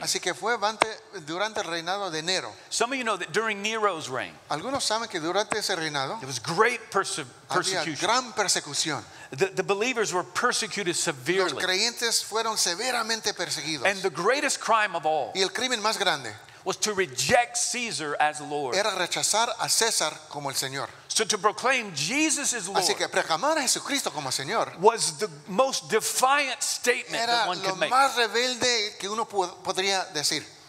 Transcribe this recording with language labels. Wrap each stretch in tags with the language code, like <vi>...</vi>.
<es>Así que fue durante el reinado de Nero.</es> <en>Some of you know that during Nero's reign.</en> <es>Algunos saben que durante ese reinado.</es> <en>There was great persecution.</en> <es>Había gran persecución.</es> <en>The believers were persecuted severely.</en> <es>Los creyentes fueron severamente perseguidos.</es> <en>And the greatest crime of all.</en> <es>Y el crimen más grande.</es> <en>Was to reject Caesar as Lord.</en> <es>Era rechazar a César como el Señor.</es> <en>So to proclaim Jesus as Lord,</en> <es>así que proclamar a Jesucristo como Señor,</es> <en>was the most defiant statement that one could make.</en> <es>Era lo más rebelde que uno podría decir.</es>